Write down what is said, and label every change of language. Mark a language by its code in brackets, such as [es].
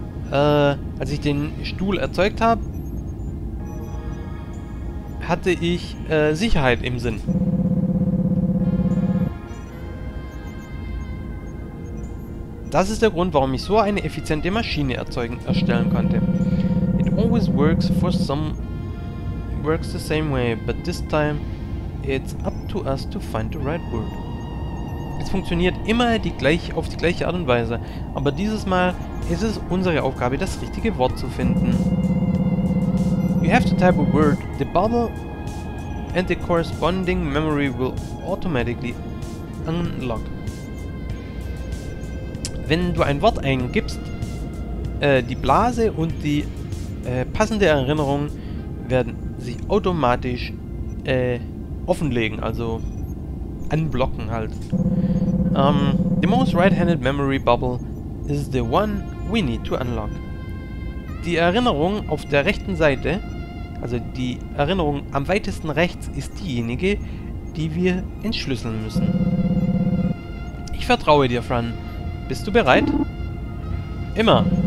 [de] Als ich den Stuhl erzeugt habe, hatte ich Sicherheit im Sinn. Das ist der Grund, warum ich so eine effiziente Maschine erstellen konnte. [en] It always works for some... works the same way, but this time it's up to us to find the right word. [de] Es funktioniert immer auf die gleiche Art und Weise, aber dieses Mal ist es unsere Aufgabe, das richtige Wort zu finden. [en] You have to type a word, the bubble and the corresponding memory will automatically unlock. [de] Wenn du ein Wort eingibst, die Blase und die passende Erinnerung werden sich automatisch offenlegen, also unblocken halt. [en] The most right-handed memory bubble is the one we need to unlock. [de] Die Erinnerung auf der rechten Seite, also die Erinnerung am weitesten rechts, ist diejenige, die wir entschlüsseln müssen. Ich vertraue dir, Fran. Bist du bereit? Immer.